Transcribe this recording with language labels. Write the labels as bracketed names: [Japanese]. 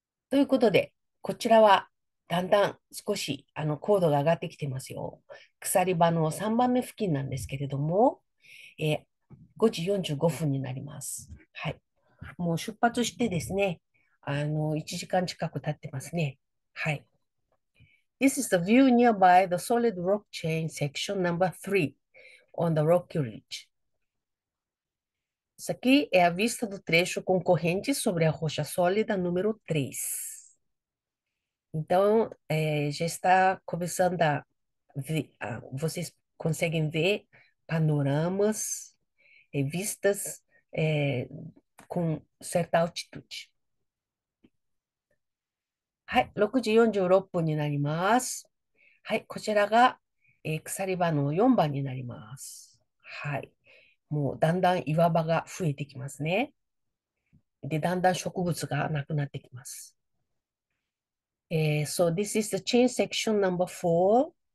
[Japanese] ということで、こちらはだんだん少し高度が上がってきてますよ。鎖場の3番目付近なんですけれども、5時45分になります。はい。もう出発してですね、1時間近く経ってますね。はい。 [English] This is the view nearby the solid rock chain section number 3 on the Rocky Ridge. [Portuguese] Isso aqui é a vista do trecho concorrente sobre a rocha sólida número 3. Então, já está começando a ver, vocês conseguem ver panoramas e vistas com certa altitude. [Japanese] はい、6時46分になります。はい、こちらが、鎖場の4番になります。はい、もうだんだん岩場が増えてきますね。で、だんだん植物がなくなってきます。 [English] So this is the chain section number four.